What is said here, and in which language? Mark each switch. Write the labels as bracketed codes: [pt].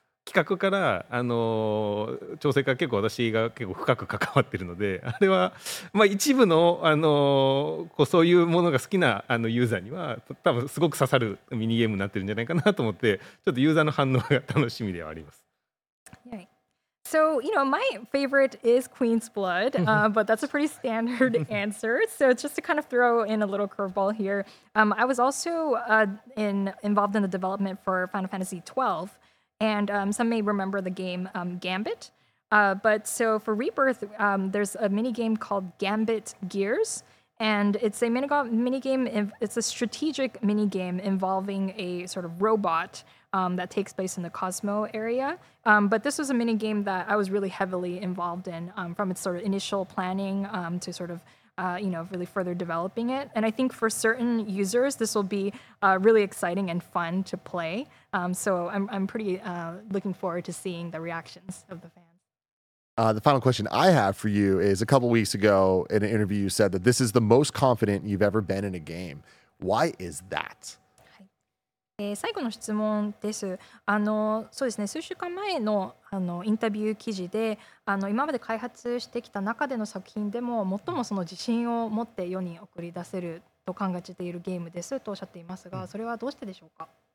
[ja] 企画からあの調整から結構私が結構深く関わってるので、あれは、まあ、一部 の, あのこうそういうものが好きなあのユーザーには多分すごく刺さるミニゲームになってるんじゃないかなと思って、ちょっとユーザーの反応が楽しみではあります。 [en] So, you know, my favorite is Queen's Blood, but that's a pretty standard answer. So just to kind of throw in a little curveball here, I was also involved in the development for Final Fantasy XII. And some may remember the game Gambit. But so for Rebirth, there's a mini game called Gambit Gears. And it's a mini game, it's a strategic mini game involving a sort of robot that takes place in the Cosmo area. But this was a mini game that I was really heavily involved in from its sort of initial planning to sort of, you know, really further developing it. And I think for certain users, this will be really exciting and fun to play. So I'm pretty looking forward to seeing the reactions of the fans. The final question I have for you is, a couple weeks ago in an interview, you said that this is the most confident you've ever been in a game. Why is that? [ja] 最後の質問です。そうですね、数週間前 の、 インタビュー記事で今まで開発してきた中での作品でも最もその自信を持って世に送り出せると考えているゲームですとおっしゃっていますが、それはどうしてでしょうか？